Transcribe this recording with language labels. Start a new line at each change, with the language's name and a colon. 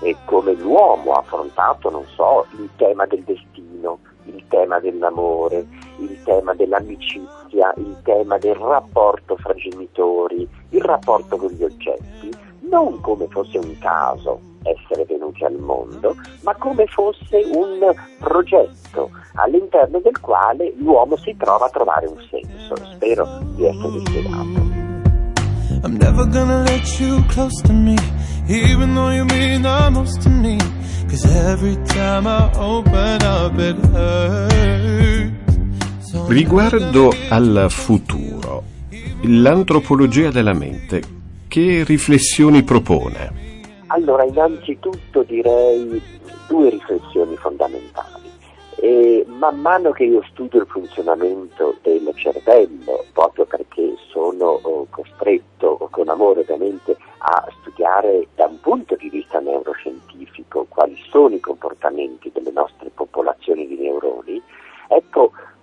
Italian: dove l'uomo ha affrontato, non so, il tema del destino, il tema dell'amore, il tema dell'amicizia, il tema del rapporto fra genitori, il rapporto con gli oggetti, non come fosse un caso essere venuti al mondo, ma come fosse un progetto all'interno del quale l'uomo si trova a trovare un senso. Spero di essere spiegato.
English: I'm never gonna let you close to me, even though you mean the most to me, 'cause every time I open up it hurts.
Italian: Riguardo al futuro, l'antropologia della mente, che riflessioni propone? Allora, innanzitutto direi due riflessioni fondamentali. E man mano che io studio il funzionamento del cervello, proprio perché sono costretto con amore ovviamente a studiare da un punto di vista neuroscientifico quali sono i comportamenti delle nostre popolazioni di neuroni, ecco,